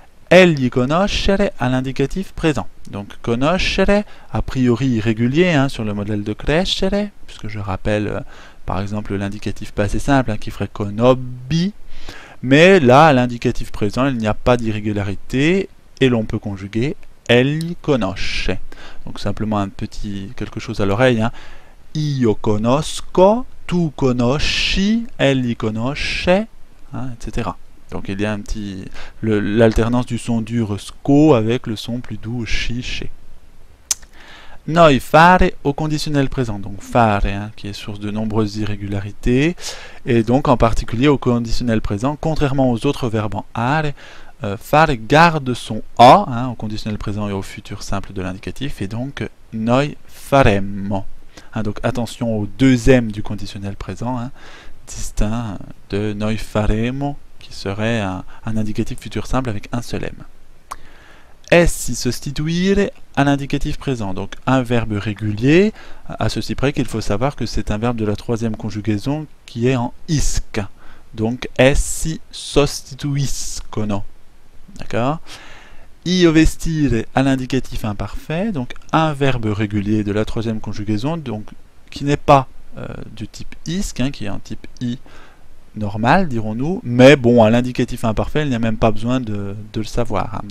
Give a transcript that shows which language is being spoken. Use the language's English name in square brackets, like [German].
[Italian] Egli conoscere [French] à l'indicatif présent. Donc conoscere, a priori irrégulier, hein, sur le modèle de crescere, puisque je rappelle par exemple l'indicatif passé simple, hein, qui ferait conobbi. Mais là, à l'indicatif présent, il n'y a pas d'irrégularité et l'on peut conjuguer [Italian] egli conosce. [French] Donc simplement un petit quelque chose à l'oreille, hein. [Italian] Io conosco, tu conosci, egli conosce, hein, etc. [French] Donc il y a un petit l'alternance du son dur sco avec le son plus doux chiché. Noi fare au conditionnel présent, donc fare, hein, qui est source de nombreuses irrégularités, et donc en particulier au conditionnel présent, contrairement aux autres verbes en are, fare garde son a, hein, au conditionnel présent et au futur simple de l'indicatif, et donc [Italian] noi faremmo. [French] Hein, donc attention au deuxième du conditionnel présent, hein, distinct de [Italian] noi faremmo, [French] qui serait un indicatif futur simple avec un seul m. Essi sostituire à l'indicatif présent, donc un verbe régulier, à ceci près qu'il faut savoir que c'est un verbe de la troisième conjugaison qui est en isque. [Italian] Donc essi sostituiscono. [French] D'accord? Io vestire à l'indicatif imparfait, donc un verbe régulier de la troisième conjugaison, donc qui n'est pas du type isque, hein, qui est en type i normal, dirons-nous, mais bon, à l'indicatif imparfait, il n'y a même pas besoin de le savoir.